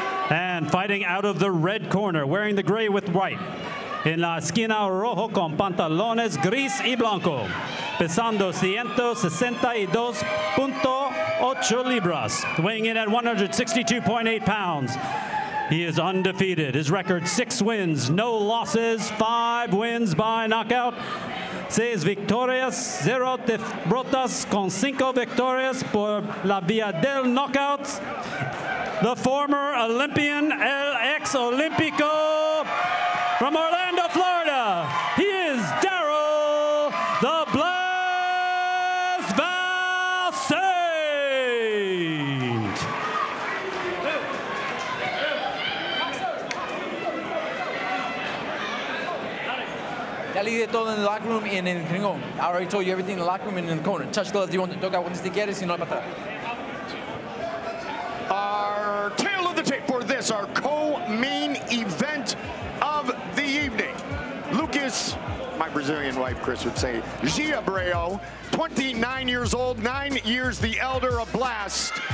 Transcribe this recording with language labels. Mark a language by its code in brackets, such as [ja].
[en] And fighting out of the red corner, wearing the gray with white. [es] En la esquina rojo con pantalones gris y blanco. Pesando 162.8 libras. [en] Weighing in at 162.8 pounds. He is undefeated. His record, 6 wins, no losses, 5 wins by knockout. [es] 6 victorias, 0 derrotas, con 5 victorias por la vía del knockout. [en] The former Olympian, [es] El Ex Olimpico, [en] from Orlando, Florida. He is Dario the Blas Valsaint. [es] Ya le dije todo en el locker room y en el gringo. [en] I already told you everything in the locker room and in the corner. Touch gloves, do you want to talk about what this thing is, [es] si no hay para atrás. [en] Our tail of the tape for this, our co-main event of the evening. Lucas, my Brazilian wife Chris would say, Giabreu, 29 years old, 9 years the elder of Blas.